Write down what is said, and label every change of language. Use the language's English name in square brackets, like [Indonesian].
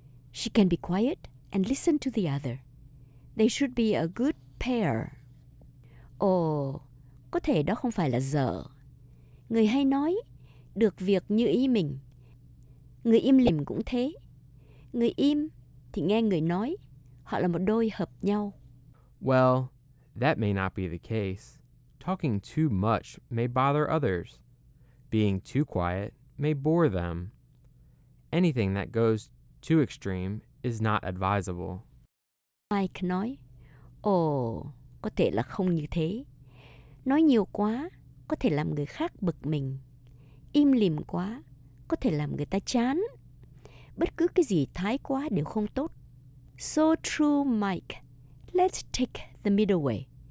[English] She can be quiet and listen to the other. They should be a good pair. [Vietnamese] Oh, có thể đó không phải là dở. Người hay nói, được việc như ý mình. Người im lìm cũng thế. Người im thì nghe người nói. Họ là một đôi hợp nhau. [English] Well, that may not be the case. Talking too much may bother others. Being too quiet may bore them. Anything that goes too extreme is not advisable. [Vietnamese] Mike nói, có thể là không như thế. Nói nhiều quá có thể làm người khác bực mình. Im lìm quá có thể làm người ta chán. Bất cứ cái gì thái quá đều không tốt. [English] So true, Mike. Let's take the middle way.